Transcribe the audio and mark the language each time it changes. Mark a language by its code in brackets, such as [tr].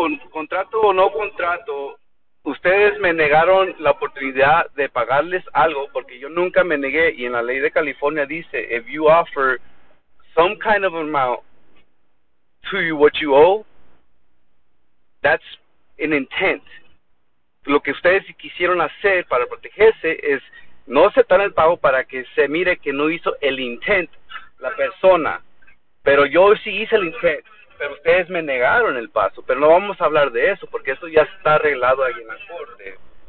[es] Contrato o no contrato, ustedes me negaron la oportunidad de pagarles algo porque yo nunca me negué. [en] Y en la ley de California dice, if you offer some kind of amount to you what you owe, that's an intent. [es] Lo que ustedes quisieron hacer para protegerse es no aceptar el pago para que se mire que no hizo el [en] intent [es] la persona. Pero yo sí hice el ingreso, pero ustedes me negaron el paso. Pero no vamos a hablar de eso, porque eso ya está arreglado ahí en la corte.